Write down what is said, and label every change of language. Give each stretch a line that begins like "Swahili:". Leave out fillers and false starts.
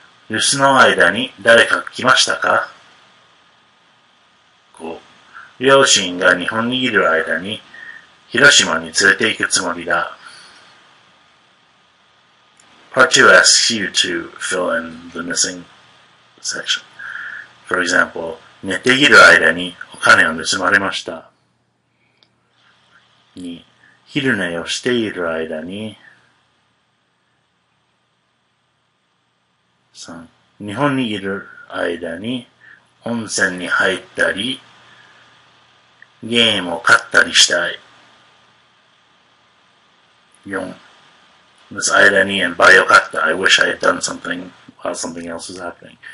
Japanese: 留守の間に誰か来ましたか? 5. 両親が日本にいる間に広島に連れて行くつもりだ。
English: Part 2 asks you to fill in the missing section. For example,
Japanese: 寝ている間にお金を盗まれました。 2. 昼寝をしている間に3. 日本にいる間に温泉に入ったりゲームを買ったりしたい。 4.
English: This 間に and by よかった I wish I had done something while something else was happening.